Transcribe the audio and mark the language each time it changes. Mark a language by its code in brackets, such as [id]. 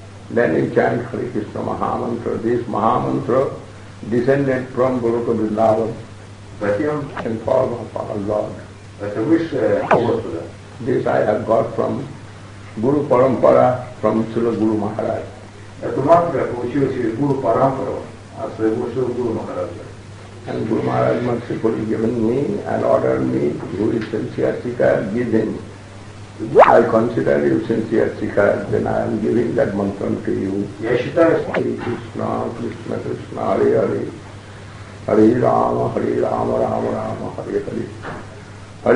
[en] Then he chants Hare Krishna Mahamantra. This Mahamantra descended from Guru to Vrindavan. In form of our Lord. This I have got from Guru Parampara, from Śrīla Guru Maharaj. [ru] Эту мантру я получил через Гуру Парампару от своего Шрила Гуру Махараджа. [en] And Guru Maharaj mercifully given me and ordered me, who is sincere seeker, give him. I consider you sincere seeker, then I am giving that mantra to you. [ru] Я считаю, что... [sa] Hare Krishna, Krishna Krishna, Hare Hare. Hare Rama, Hare Rama, Rama Rama, Hare Hare.